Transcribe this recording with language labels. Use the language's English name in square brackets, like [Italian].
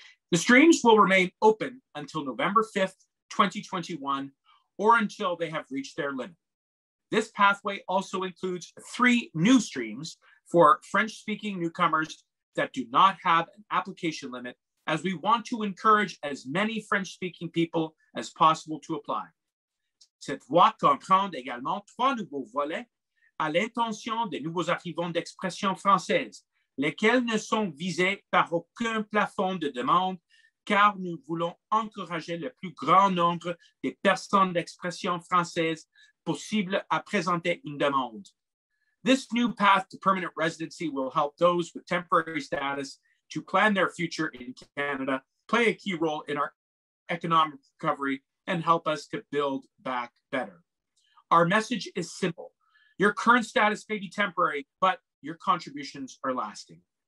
[English] The streams will remain open until November 5th, 2021, or until they have reached their limit. This pathway also includes three new streams for French-speaking newcomers that do not have an application limit, as we want to encourage as many French-speaking people as possible to apply. [French] Cette voie comprend également trois nouveaux volets à l'intention des nouveaux arrivants d'expression française, lesquels ne sont visés par aucun plafond de demande, car nous voulons encourager le plus grand nombre des personnes d'expression française possible à présenter une demande. [English] This new path to permanent residency will help those with temporary status to plan their future in Canada, play a key role in our economic recovery, and help us to build back better. Our message is simple. Your current status may be temporary, but your contributions are lasting.